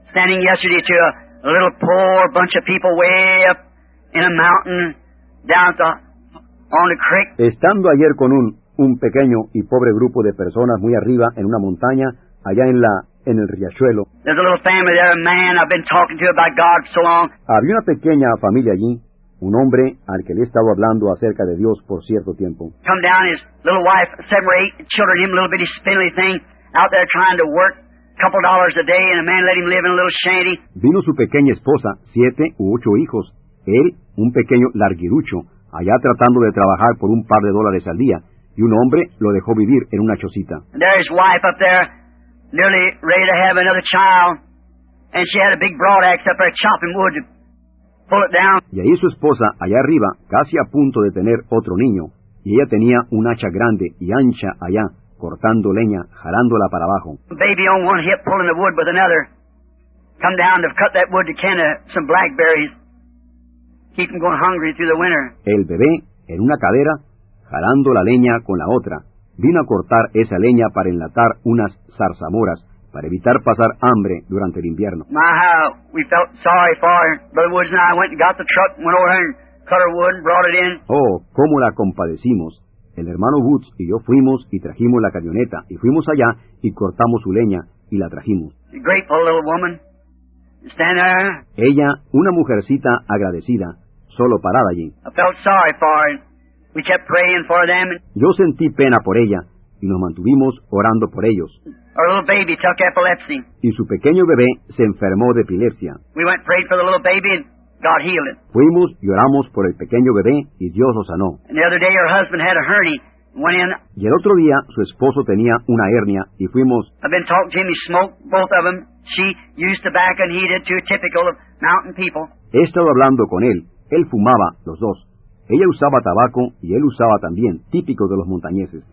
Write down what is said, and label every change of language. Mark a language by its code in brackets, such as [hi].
[en] Standing yesterday to a little poor bunch of people way up in a mountain down to. On the creek. [es] Estando ayer con un pequeño y pobre grupo de personas muy arriba en una montaña, allá en el riachuelo. [en] There's a little family there, a man I've been talking to about God so long. [es] Había una pequeña familia allí, un hombre al que le he estado hablando acerca de Dios por cierto tiempo. [en] Come down, his little wife, 7 or 8 children, him a little bitty spindly thing, out there trying to work a couple dollars a day, and a man let him live in a little shanty. [es] Vino su pequeña esposa, 7 u 8 hijos, él, un pequeño larguirucho, allá tratando de trabajar por un par de dólares al día, y un hombre lo dejó vivir en una chocita. [en] There is wife up there, nearly ready to have another child, and she had a big broad axe up there chopping wood to pull it down. [es] Y ahí su esposa, allá arriba, casi a punto de tener otro niño, y ella tenía un hacha grande y ancha allá, cortando leña, jalándola para abajo. [en] Baby on one hip pulling the wood with another, come down to cut that wood to can some blackberries. Keep him going hungry through the winter. [es] El bebé, en una cadera, jalando la leña con la otra, vino a cortar esa leña para enlatar unas zarzamoras, para evitar pasar hambre durante el invierno. [en] My, how we felt sorry for her. Brother Woods and I went and got the truck, went over there and cut her wood and brought it in. [es] Oh, cómo la compadecimos. El hermano Woods y yo fuimos y trajimos la camioneta, y fuimos allá y cortamos su leña y la trajimos. [en] The grateful little woman. Stand there. [es] Ella, una mujercita agradecida, solo parada allí. [en] I felt sorry for her. We kept praying for them. [es] Yo sentí pena por ella, y nos mantuvimos orando por ellos. [en] Our little baby took epilepsy. [es] Y su pequeño bebé se enfermó de epilepsia. [en] We went and prayed for the little baby, and God healed him. [es] Fuimos y oramos por el pequeño bebé, y Dios lo sanó. [en] And the other day, her husband had a hernia. Went in. [es] Y el otro día, su esposo tenía una hernia, y fuimos. [en] I've been talking to him. He smoked, both of them. She used tobacco, and he did, too typical of mountain people. [es] He estado hablando con él. Él fumaba, los dos. Ella usaba tabaco, y él usaba también, típico de los montañeses.